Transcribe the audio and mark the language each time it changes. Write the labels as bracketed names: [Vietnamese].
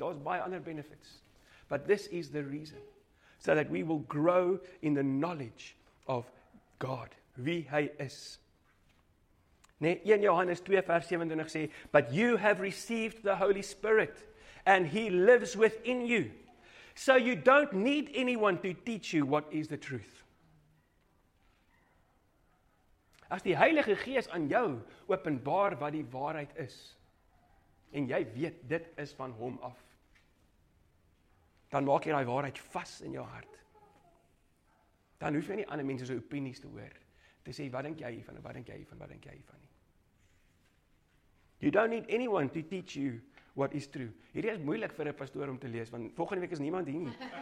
[Afrikaans] Daar's baie ander benefits. [English] But this is the reason. So that we will grow in the knowledge of God. [Afrikaans] Wie hy is. Nee, 1 Johannes 2 vers 27 sê, [English] But you have received the Holy Spirit and he lives within you. So you don't need anyone to teach you what is the truth. [Afrikaans] As die Heilige Gees aan jou openbaar wat die waarheid is, en jy weet dit is van hom af, dan maak jy die waarheid vas in jou hart. Dan hoef jy nie ander mense se opinies te hoor, te sê, wat denk jy hiervan, wat denk jy hiervan, wat denk jy hiervan nie. [English] You don't need anyone to teach you what is true. [Afrikaans] Hierdie is moeilik vir 'n pastoor om te lees, want volgende week is niemand hier nie.